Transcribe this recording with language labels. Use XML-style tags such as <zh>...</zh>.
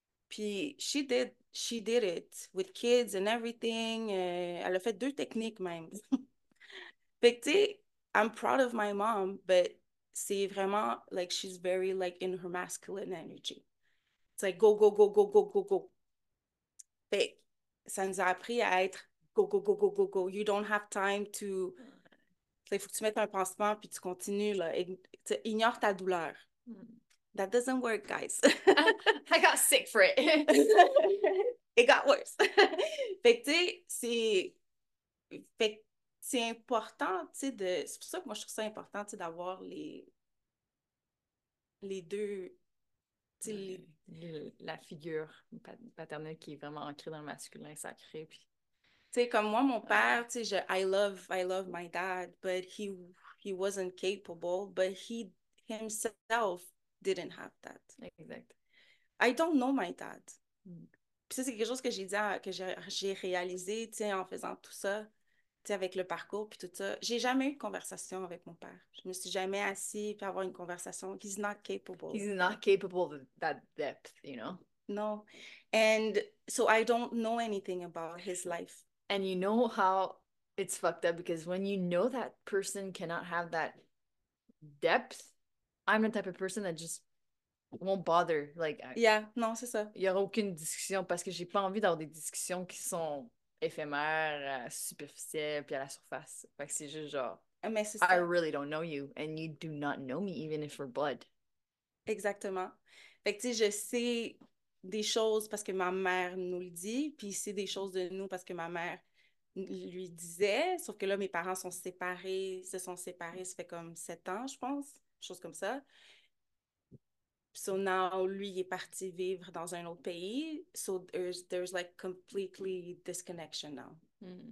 <en>Puis, she did it with kids and everything.</en> <fr>Elle a fait deux techniques même. Fait que, tu sais,</fr> <en>I'm proud of my mom, but</en> <fr>c'est vraiment,</fr> <en>like, she's very, like, in her masculine energy. It's like, go, go, go, go, go, go, go.</en> <fr>Fait que, ça nous a appris à être. Go, go, go, go, go, go.</fr> <en>You don't have time to.</en> <fr>Il faut que tu mettes un pansement puis tu continues, là. Ignore ta douleur.</fr> <en>That doesn't work, I got sick for it. guys. It got worse.</en> <fr>Fait que, tu sais, c'est important, tu sais, de. C'est pour ça que moi, je trouve ça important, tu sais, d'avoir les deux Ouais. La figure paternelle qui est vraiment ancrée dans le masculin sacré, puis T'sais, comme moi, mon ouais. père, t'sais,</fr> <en>I love my dad, but he wasn't capable, but he himself didn't have that.</en> <fr>Exact.</fr> <en>I don't know my dad.</en> <fr>Puis ça, c'est quelque chose que j'ai dit, que j'ai réalisé, t'sais, en faisant tout ça, t'sais, avec le parcours, puis tout ça. J'ai jamais eu de conversation avec mon père. Je me suis jamais assise pour avoir une conversation.</fr> <en>He's not capable. He's not capable of that depth, you know? No. And so I don't know anything about his life. And you know how it's fucked up because when you know that person cannot have that depth, I'm the type of person that just won't bother. Like,</en> <fr>Yeah, non, c'est ça. il y aura aucune discussion parce que j'ai pas envie d'avoir des discussions qui sont éphémères, superficielles, puis à la surface. Fait que c'est juste genre, Mais c'est</fr> <en>I</en> <fr>ça.</fr> <en>really don't know you, and you do not know me, even if we're blood.</en> <fr>Exactement. Fait que tu sais, je sais des choses parce que ma mère nous le dit, puis c'est des choses de nous parce que ma mère lui disait, sauf que là, mes parents sont séparés, se sont séparés, ça fait comme 7 ans, je pense, chose comme ça.</fr> <en>So now,</en> <fr>lui, il est parti vivre dans un autre pays,</fr> <en>so there's like completely disconnection now.</en>